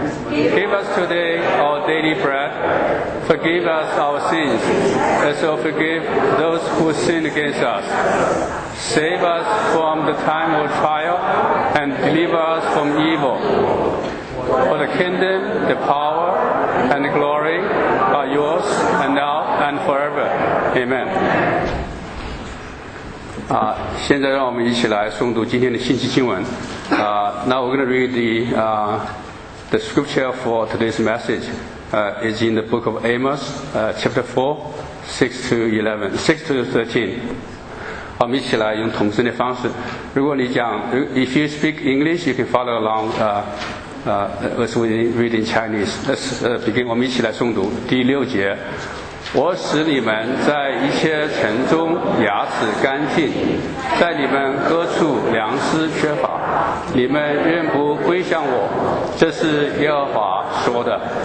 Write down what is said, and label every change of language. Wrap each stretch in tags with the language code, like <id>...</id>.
<en>Give us today our daily bread. Forgive us our sins, as we forgive those who sin against us. Save us from the time of trial and deliver us from evil. For the kingdom, the power, and the glory are yours, and now and forever. Amen.</en> <zh>现在让我们一起来诵读今天的信息经文。</zh> <en>Now we're going to read the scripture for today's message. It's in the book of Amos, chapter 4, 6 to 13.</en> <zh>我们一起来用同声的方式。如果你讲</zh> <en>,if you speak English, you can follow along, as we read in Chinese. Let's begin.</en> <zh>我们一起来诵读第六节。我使你们在一切城中牙齿干净，在你们各处粮食缺乏，你们愿不归向我，这是耶和华说的。</zh>